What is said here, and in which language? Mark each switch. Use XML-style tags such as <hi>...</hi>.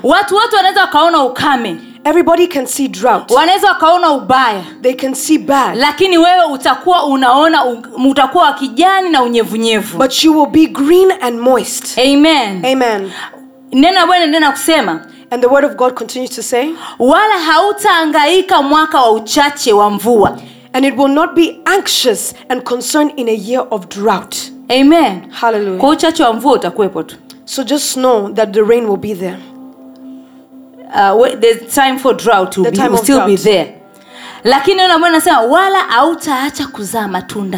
<sw>Watu wote wanaweza kaona ukame.</sw> <en>Everybody can see drought.</en> <sw>Wanaweza kaona ubaya.</sw> <en>They can see bad.</en> <sw>Lakini wewe utakuwa unaona utakuwa kijani na unyevunyevu.</sw> <en>But you will be green and moist. Amen. Amen.</en> <sw>Nena wewe nena kusema,</sw> <en>and the word of God continues to say,</en> <sw>wala hautaangaika mwaka wa uchache wa mvua.</sw> <en>And it will not be anxious and concerned in a year of drought. Amen. Hallelujah.</en> <sw>Kwa uchache wa mvua utakuepo tu.</sw> <en>So just know that the rain will be there. The time for drought will still be there.</en> <sw>Lakini neno la Mungu linasema wala hautaacha kuzaa matunda.</sw>